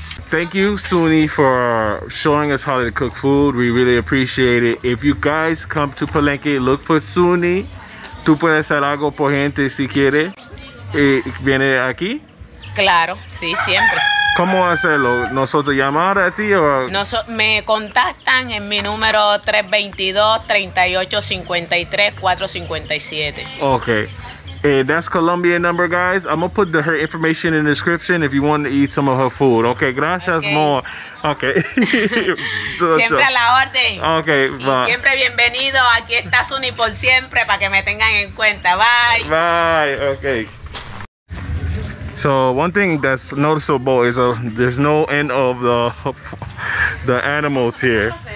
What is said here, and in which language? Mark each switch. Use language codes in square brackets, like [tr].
[en] Thank you, Suni, for showing us how to cook food. We really appreciate it. If you guys come to Palenque, look for Suni. [es] Tú puedes hacer algo por gente si quiere. ¿Viene aquí? Claro, sí, siempre. ¿Cómo hacerlo? ¿Nosotros llamar a ti o...? Me contactan en mi número 322-3853-457. [en] Okay. That's Colombian number, guys. I'm gonna put her information in the description if you want to eat some of her food. Okay, gracias, okay. More. Okay. [es] Siempre a la orden. [en] Okay, [es] bye. Y siempre bienvenido. Aquí está Suni por siempre para que me tengan en cuenta. [en] Bye. Bye, okay. So one thing that's noticeable is there's no end of the animals here.